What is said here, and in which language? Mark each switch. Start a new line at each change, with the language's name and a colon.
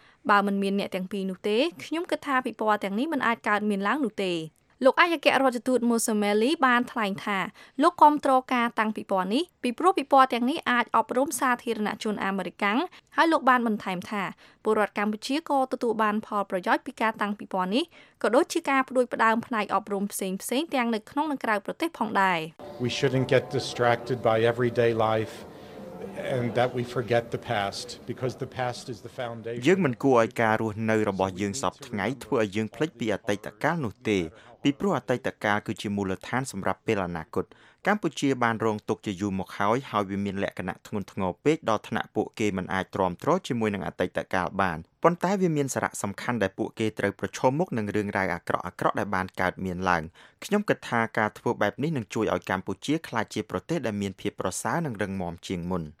Khmer: បើមិនមានអ្នកទាំងពីរនោះទេខ្ញុំគិតថាពិព័រណ៍ទាំងនេះមិនអាចកើតមានឡើងនោះទេលោកអាយកៈរដ្ឋទូតមូសូមេលីបានថ្លែងថាលោកគាំទ្រការតាំងពិព័រណ៍នេះពីព្រោះពិព័រណ៍ទាំងនេះអាចអប់រំសាធារណជនអាមេរិកហើយលោកបានបន្ថែមថាពលរដ្ឋកម្ពុជាក៏ទទួលបានផលប្រយោជន៍ពីការតាំងពិព័រណ៍នេះក៏ដូចជាការផ្ដួចផ្ដើមផ្នែកអប់រំផ្សេងៗទាំងនៅក្នុងនិងក្រៅប្រទេសផងដែរ
English: We shouldn't get distracted by everyday lifeand that we forget the past because the past is the foundation
Khmer: យើងមិនគួរឲ្យការរស់នៅរបស់យើងសពថ្ងៃធ្វើឲ្យយើងភ្លេចពីអតីតកាលនោះទេពីព្រោះអតីតកាលគឺជាមូលដ្ឋានសម្រាប់ពេលអនាគតកម្ពុជាបានរងទុក្ខជាយូរមកហើយហើយវាមានលក្ខណៈធ្ងន់ធ្ងរពេកដល់ថ្នាក់ពួកគេមិនអាចទ្រាំទ្រជាមួយនឹងអតីតកាលបានប៉ុន្តែវាមានសារៈសំខាន់ដែលពួកគេត្រូវប្រឈមមុខនឹងរឿងរ៉ាវអាក្រក់អាក្រក់ដែលបានកើតមានឡើងខ្ញុំគិតថាការធ្វើបែបនេះនឹងជួយឲ្យកម្ពុជាក្លាយជាប្រទេសដែលមានភាពប្រសើរនិងរឹងមាំជាងមុន